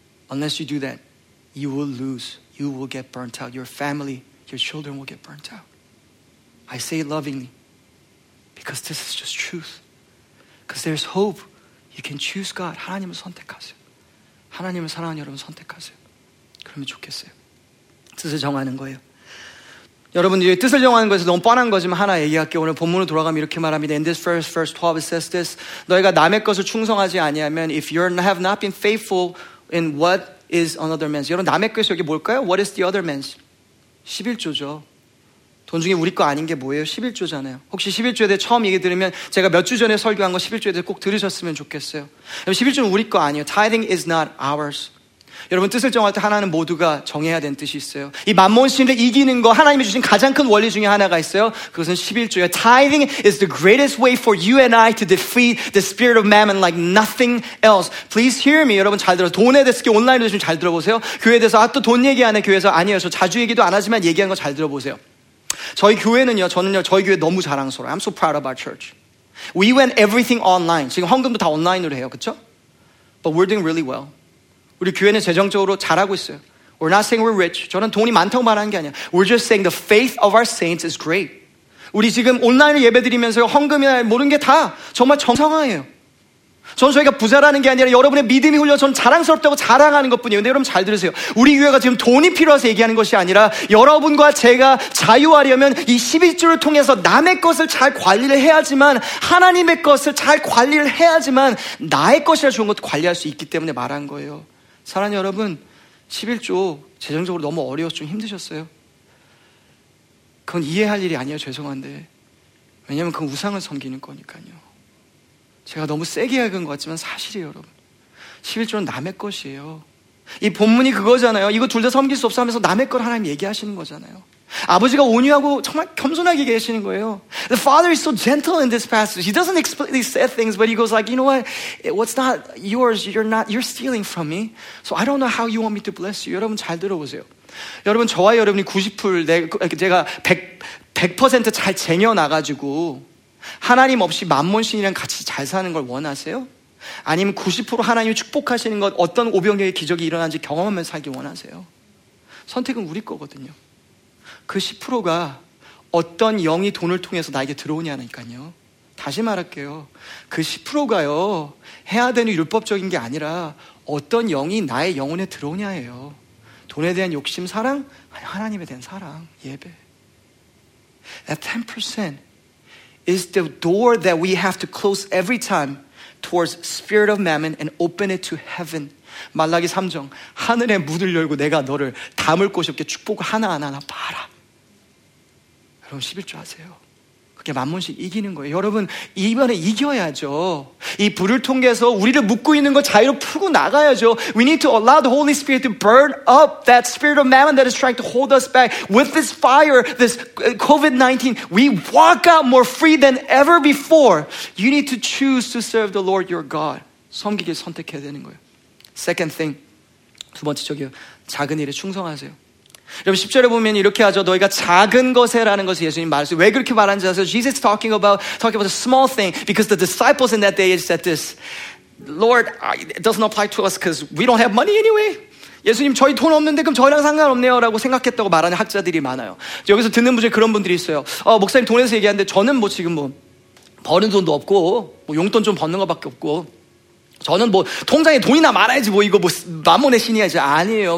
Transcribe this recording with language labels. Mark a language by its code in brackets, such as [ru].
[en] Unless you do that, you will lose. You will get burnt out. Your family, your children will get burnt out. I say it lovingly because this is just truth. Because there's hope. You can choose God. [ko] 하나님을 선택하세요. 하나님을 사랑하는 여러분 선택하세요. 그러면 좋겠어요. 뜻을 정하는 거예요. 여러분 이제 뜻을 정하는 거에서 너무 뻔한 거지만 하나 얘기할게요. 오늘 본문으로 돌아가면 이렇게 말합니다. [en] In this verse 12 it says this. [ko] 너희가 남의 것을 충성하지 아니하면 [en] if you have not been faithful in what is another man's. [ko] 여러분 남의 것이 여기 뭘까요? [en] What is the other man's? [ko] 11조죠. 돈 중에 우리 거 아닌 게 뭐예요? 11조잖아요. 혹시 11조에 대해 처음 얘기 들으면 제가 몇 주 전에 설교한 거 11조에 대해 꼭 들으셨으면 좋겠어요. 여러분 11조는 우리 거 아니에요. [en] Tithing is not ours. [ko] 여러분 뜻을 정할 때 하나는 모두가 정해야 되는 뜻이 있어요. 이 만몬신을 이기는 거 하나님이 주신 가장 큰 원리 중에 하나가 있어요. 그것은 11조예요. [en] Tithing is the greatest way for you and I to defeat the spirit of mammon like nothing else. Please hear me. [ko] 여러분 잘 들어. 돈에 대해서 온라인으로 좀 잘 들어보세요. 교회에 대해서 아, 또 돈 얘기하네 교회에서. 아니에요. 저 자주 얘기도 안 하지만 얘기한 거 잘 들어보세요. 저희 교회는요 저는요 저희 교회 너무 자랑스러워요. [en] I'm so proud of our church. We went everything online. [ko] 지금 헌금도 다 온라인으로 해요. 그쵸? [en] But we're doing really well. [ko] 우리 교회는 재정적으로 잘하고 있어요. [en] We're not saying we're rich. [ko] 저는 돈이 많다고 말하는 게 아니야. [en] We're just saying the faith of our saints is great. [ko] 우리 지금 온라인으로 예배드리면서 헌금이나 모든 게 다 정말 정상화예요. 저는 저희가 부자라는 게 아니라 여러분의 믿음이 흘려 저는 자랑스럽다고 자랑하는 것뿐이에요. 근데 여러분 잘 들으세요. 우리 교회가 지금 돈이 필요해서 얘기하는 것이 아니라 여러분과 제가 자유하려면 이 11조를 통해서 남의 것을 잘 관리를 해야지만 하나님의 것을 잘 관리를 해야지만 나의 것이라 좋은 것도 관리할 수 있기 때문에 말한 거예요. 사랑하는 여러분 11조 재정적으로 너무 어려워서 좀 힘드셨어요. 그건 이해할 일이 아니에요. 죄송한데 왜냐하면 그건 우상을 섬기는 거니까요. 제가 너무 세게 읽은 것 같지만 사실이에요 여러분. 11조는 남의 것이에요. 이 본문이 그거잖아요. 이거 둘 다 섬길 수 없어 하면서 남의 걸 하나님 얘기하시는 거잖아요. 아버지가 온유하고 정말 겸손하게 계시는 거예요. [en] The father is so gentle in this passage. He doesn't explicitly say things but he goes like, you know what? What's not yours, you're stealing from me. So I don't know how you want me to bless you. [ko] 여러분 잘 들어보세요. 여러분 저와 여러분이 90% 제가 100% 잘 쟁여놔가지고 하나님 없이 만몬신이랑 같이 잘 사는 걸 원하세요? 아니면 90% 하나님이 축복하시는 것, 어떤 오병이어의 기적이 일어난지 경험하면서 살기 원하세요? 선택은 우리 거거든요. 그 10%가 어떤 영이 돈을 통해서 나에게 들어오냐니까요. 다시 말할게요. 그 10%가요, 해야 되는 율법적인 게 아니라 어떤 영이 나의 영혼에 들어오냐예요. 돈에 대한 욕심, 사랑? 아니, 하나님에 대한 사랑, 예배. [en] That 10% is the door that we have to close every time towards spirit of mammon and open it to heaven. [ko] 말라기 3장, 하늘의 문을 열고 내가 너를 담을 곳이 없게 축복을 하나하나 봐라. 여러분 11조 아세요? 그게 만몬씩 이기는 거예요. 여러분 이번에 이겨야죠. 이 불을 통해서 우리를 묶고 있는 거 자유로 풀고 나가야죠. [en] We need to allow the Holy Spirit to burn up that spirit of mammon that is trying to hold us back. With this fire, this COVID-19, we walk out more free than ever before. You need to choose to serve the Lord your God. [ko] 섬기길 선택해야 되는 거예요. [en] Second thing, [ko] 두 번째 저기요. 작은 일에 충성하세요. 여러분 10절에 보면 이렇게 하죠. 너희가 작은 것에라는 것을 예수님 말했어요. 왜 그렇게 말하는지 아세요? [en] Jesus is talking about a small thing because the disciples in that day said this. Lord, it doesn't apply to us because we don't have money anyway. [ko] 예수님 저희 돈 없는데 그럼 저희랑 상관없네요 라고 생각했다고 말하는 학자들이 많아요. 여기서 듣는 분 중에 그런 분들이 있어요. 목사님 돈에서 얘기하는데 저는 뭐 지금 뭐 버는 돈도 없고 뭐 용돈 좀 버는 것밖에 없고 저는 뭐 통장에 돈이나 말아야지 뭐 이거 뭐 만몬의 신이야지. 아니에요.